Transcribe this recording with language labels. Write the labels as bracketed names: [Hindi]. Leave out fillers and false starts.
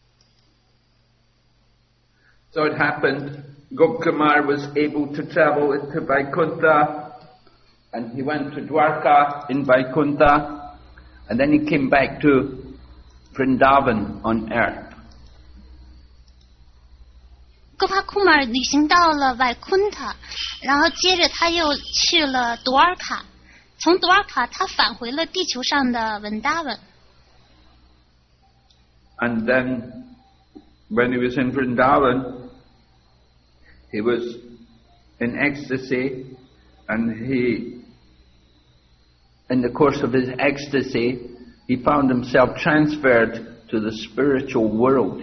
[Chinese] 他在物质世界旅行，然后接着又旅行到了高等星宿，最后他来到灵性世界。So [English] it happened, Gopakumar was able to travel into Vaikuntha, and he went to Dwarka in Vaikuntha, and then he came back to Vrindavan on earth. [Chinese] 戈帕库马旅行到了瓦昆塔，然后接着他又去了多尔卡，从多尔卡他返回了地球上的文达文。And [English] then, when he was in Vrindavan, he was in ecstasy, and he, in the course of his ecstasy, he found himself transferred to the spiritual world.